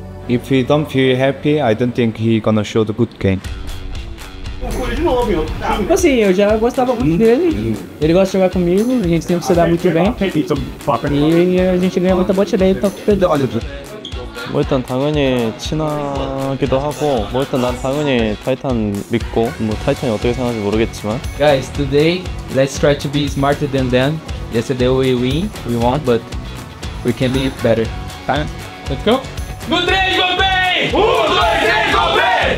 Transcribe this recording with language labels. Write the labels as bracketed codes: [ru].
[en] If he don't feel happy, I don't think he gonna show the good game. [pt] de novo em outro time. Tipo assim, eu já gostava muito dele. Ele gosta de jogar comigo, a gente sempre se dá muito bem. E a gente ganha muita bote dele, então perdeu. Olha, [ko] 뭐 일단 당연히 친하기도 하고 뭐 일단 난 당연히 타이탄 믿고 뭐 타이탄이 어떻게 생각하는지 모르겠지만 [en] Guys, today let's try to be smarter than them. Yesterday we win, we won, but we can be better. Time, let's go! [ko] 1, 2, 3, 골뱅이! 1, 2, 3, 골뱅이!